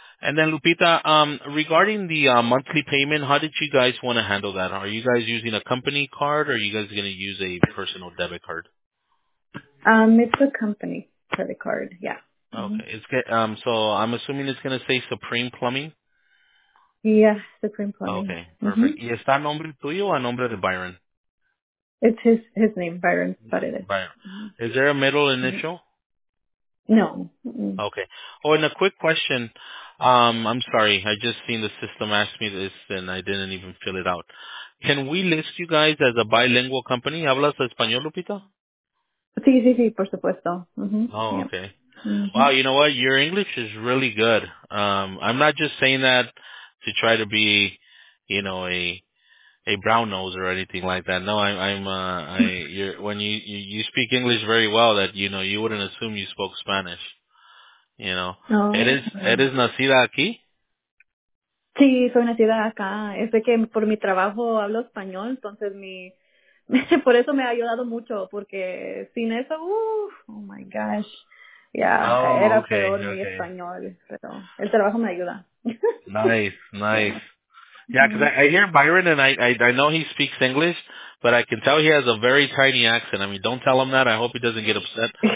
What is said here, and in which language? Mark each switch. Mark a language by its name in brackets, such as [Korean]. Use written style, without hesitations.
[English] And then Lupita, regarding the monthly payment, how did you guys want to handle that? Are you guys using a company card or are you guys going to use a personal debit card? It's a company credit card. Yeah. Okay. Mm-hmm. So I'm assuming it's going to say Supreme Plumbing. Yeah, Supreme Plumbing. Okay. Perfect. [Spanish] Mm-hmm. ¿Y está nombre tuyo o nombre de Byron? [English] It's his name, Byron. But it is. Byron. Is there a middle initial? Mm-hmm. No. Mm-mm. Okay. Oh, and a quick question. I'm sorry. I just seen the system ask me this, and I didn't even fill it out. Can we list you guys as a bilingual company? [Spanish] ¿Hablas español, Lupita? Sí, por supuesto. [English] Okay. Mm-hmm. Wow, you know what? Your English is really good. I'm not just saying that to try to be, you know, a brown nose or anything like that. No, you speak English very well that, you know, you wouldn't assume you spoke Spanish, you know. [Spanish] ¿Eres nacida aquí? Sí, soy nacida acá. Es de que por mi trabajo hablo español, entonces por eso me ha ayudado mucho, porque sin eso, [English] oh my gosh. [Spanish] Era peor mi español, pero el trabajo me ayuda. [English] Nice. Yeah, because I hear Byron, and I know he speaks English, but I can tell he has a very tiny accent. I mean, don't tell him that. I hope he doesn't get upset.